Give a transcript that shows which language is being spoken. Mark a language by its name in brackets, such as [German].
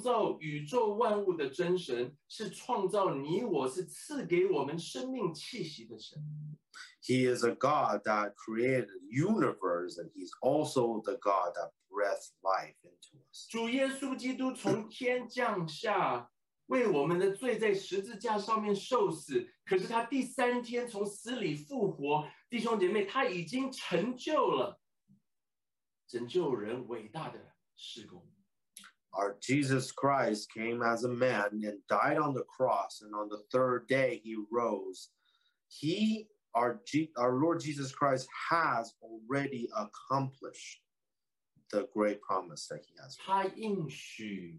[Chinese] 神是创造宇宙万物的真神, 是创造你我, 是赐给我们生命气息的神。 [English] He is a God that created the universe, and he's also the God that breathed life into us. [Chinese] 主耶稣基督从天降下, 为我们的罪在十字架上面受死, 可是他第三天从死里复活, 弟兄姐妹, 他已经成就了, 拯救人伟大的事工。 [English] Our Jesus Christ came as a man and died on the cross, and on the third day he rose. He, our Lord Jesus Christ, has already accomplished the great promise that he has.